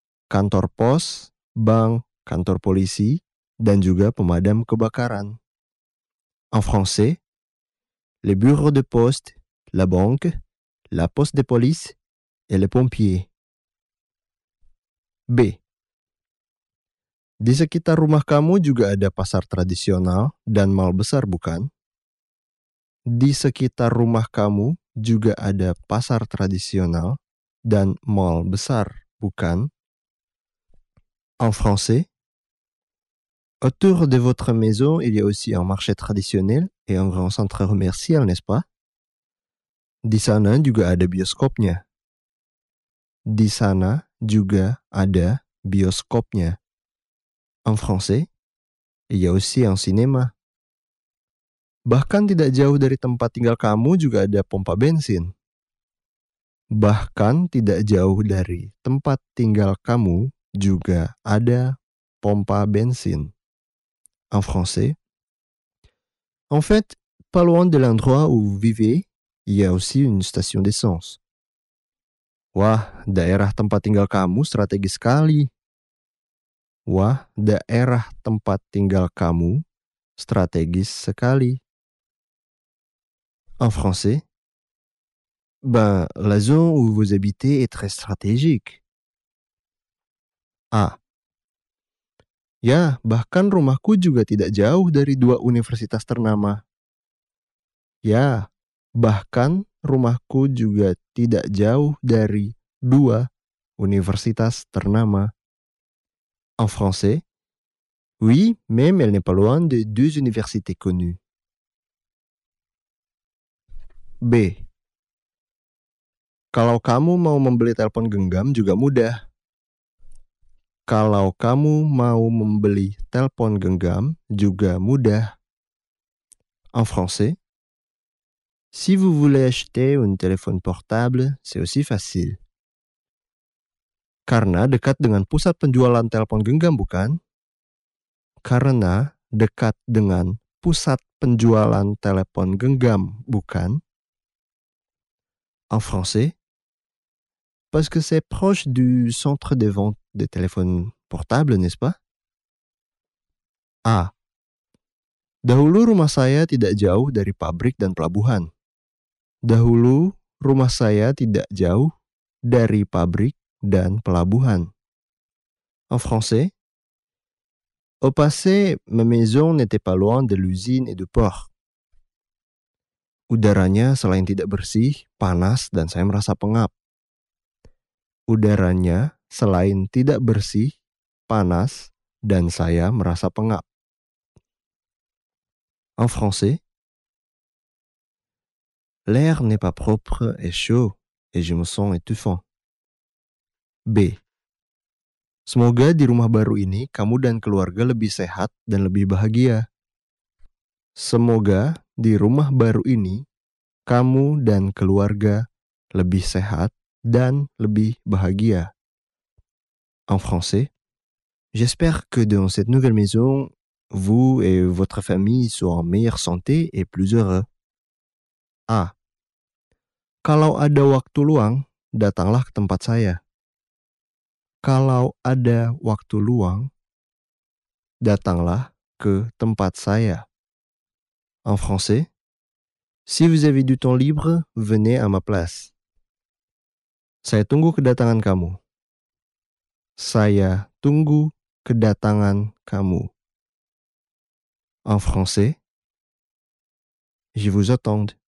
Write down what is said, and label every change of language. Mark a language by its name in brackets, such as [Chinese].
[Indonesian] Kantor pos, bank, kantor polisi, dan juga pemadam kebakaran. [French] En français, les bureaux de poste, la banque, la poste de police et les pompiers. B. [Indonesian] Di sekitar rumah kamu juga ada pasar tradisional dan mal besar, bukan? Di sekitar rumah kamu juga ada pasar tradisional dan mal besar, bukan? [French] En français. Autour de votre maison, il y a aussi un marché traditionnel et un grand centre commercial, n'est-ce pas? [Indonesian] Di sana juga ada bioskopnya. Di sana juga ada bioskopnya. [French] En français, il y a aussi un cinéma. [Indonesian] Bahkan tidak jauh dari tempat tinggal kamu juga ada pompa bensin. Bahkan tidak jauh dari tempat tinggal kamu juga ada pompa bensin. [French] En français. En fait, pas loin de l'endroit où vous vivez, il y a aussi une station d'essence. [Indonesian] Wah, daerah tempat tinggal kamu strategis sekali. Wah, daerah tempat tinggal kamu strategis sekali. [French] En français. Ben, la zone où vous habitez est très stratégique. Ah. [Indonesian] Ya, bahkan rumahku juga tidak jauh dari dua universitas ternama. Ya, bahkan rumahku juga tidak jauh dari dua universitas ternama. [French] En français, oui, même elle n'est pas loin de deux universités connues. B. [Indonesian] Kalau kamu mau membeli telepon genggam juga mudah. Kalau kamu mau membeli telepon genggam juga mudah. [French] En français. Si vous voulez acheter un téléphone portable, c'est aussi facile. [Indonesian] Karena dekat dengan pusat penjualan telepon genggam, bukan? Karena dekat dengan pusat penjualan telepon genggam, bukan? [French] En français. Parce que c'est proche du centre de vente des téléphones portables, n'est-ce pas? A. [Indonesian] Dahulu rumah saya tidak jauh dari pabrik dan pelabuhan. Dahulu rumah saya tidak jauh dari pabrik dan pelabuhan. [French] En français. Au passé, ma maison n'était pas loin de l'usine et du port. [Indonesian] Udaranya selain tidak bersih, panas dan saya merasa pengap. Udaranya selain tidak bersih, panas, dan saya merasa pengap. [French] En français, l'air n'est pas propre et chaud, et je me sens étouffant. B. [Indonesian] Semoga di rumah baru ini kamu dan keluarga lebih sehat dan lebih bahagia. Semoga di rumah baru ini, kamu dan keluarga lebih sehat dan lebih bahagia. [French] En français, j'espère que dans cette nouvelle maison, vous et votre famille soient en meilleure santé et plus heureux. A. [Indonesian] Kalau ada waktu luang, datanglah ke tempat saya. Kalau ada waktu luang, datanglah ke tempat saya. [French] En français, si vous avez du temps libre, venez à ma place. [Indonesian] Saya tunggu kedatangan kamu. Saya tunggu kedatangan kamu. [French] En français, je vous attends.